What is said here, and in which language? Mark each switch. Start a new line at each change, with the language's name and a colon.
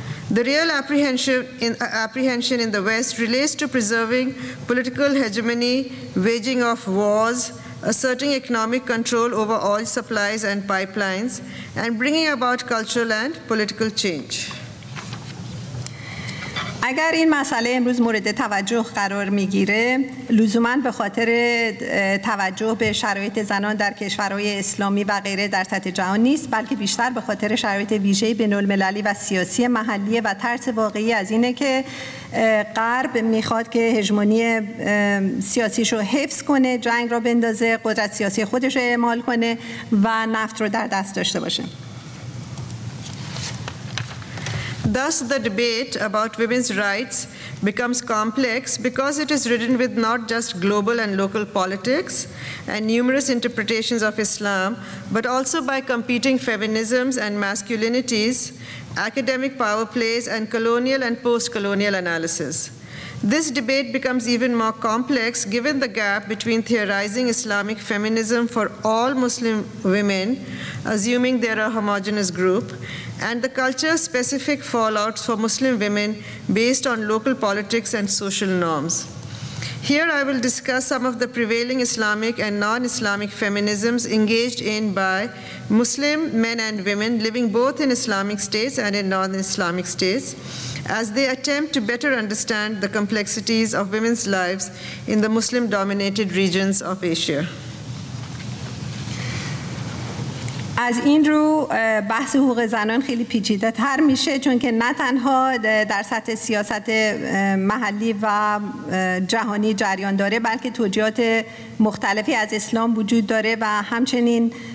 English: The real apprehension in the West relates to preserving political hegemony, waging of wars, asserting economic control over oil supplies and pipelines, and bringing about cultural and political change.
Persian: اگر این مسئله امروز مورد توجه قرار میگیره لزوماً به خاطر توجه به شرایط زنان در کشورهای اسلامی و غیره در سطح جهان نیست بلکه بیشتر به خاطر شرایط ویژه بین‌المللی و سیاسی محلی و ترس واقعی از اینه که غرب میخواد که هژمونی سیاسیش رو حفظ کنه جنگ رو بندازه قدرت سیاسی خودش رو اعمال کنه و نفت رو در دست داشته باشه
English: Thus, the debate about women's rights becomes complex because it is ridden with not just global and local politics and numerous interpretations of Islam, but also by competing feminisms and masculinities, academic power plays, and colonial and post-colonial analysis. This debate becomes even more complex given the gap between theorizing Islamic feminism for all Muslim women, assuming they're a homogeneous group, and the culture-specific fallouts for Muslim women based on local politics and social norms. Here I will discuss some of the prevailing Islamic and non-Islamic feminisms engaged in by Muslim men and women living both in Islamic states and in non-Islamic states, as they attempt to better understand the complexities of women's lives in the Muslim-dominated regions of Asia.
Persian: از این رو بحث حقوق زنان خیلی پیچیده تر میشه چون که نه تنها در سطح سیاست محلی و جهانی جریان داره بلکه توجیهات مختلفی از اسلام وجود داره و همچنین